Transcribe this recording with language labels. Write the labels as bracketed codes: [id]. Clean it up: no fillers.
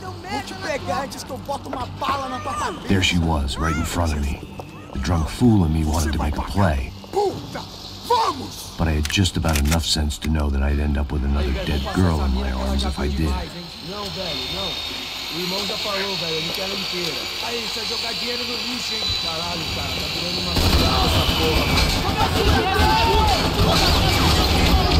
[pt] Vou te pegar antes que eu boto uma bala na tua cabeça! [en] There she was, right in front of me. The drunk fool in me wanted to make a play. [pt] Puta! Vamos! [en] But I had just about enough sense to know that I'd end up with another dead girl in my arms if I did. [pt] Não, velho, não. O irmão já falou, velho, ele quer inteira. Aí, isso é jogar dinheiro no lixo, hein? Caralho, cara, tá virando uma bagunça, essa porra.